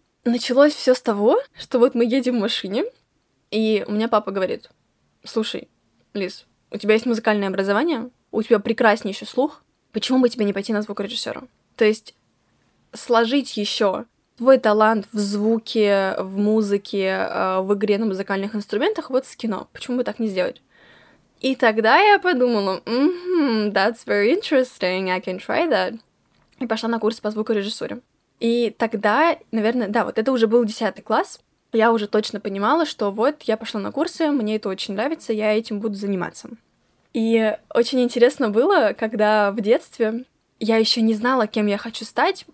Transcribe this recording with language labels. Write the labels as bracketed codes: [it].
[ru] Началось все с того, что вот мы едем в машине, и у меня папа говорит: «Слушай, Лиз, у тебя есть музыкальное образование, у тебя прекраснейший слух, почему бы тебе не пойти на звукорежиссера?» То есть сложить еще твой талант в звуке, в музыке, в игре на музыкальных инструментах вот с кино. Почему бы так не сделать? И тогда я подумала: [en] that's very interesting, I can try that. [ru] И пошла на курс по звукорежиссуре. И тогда, наверное, да, вот это уже был 10 класс, я уже точно понимала, что вот я пошла на курсы, мне это очень нравится, я этим буду заниматься. И очень интересно было, когда в детстве я еще не знала, кем я хочу стать.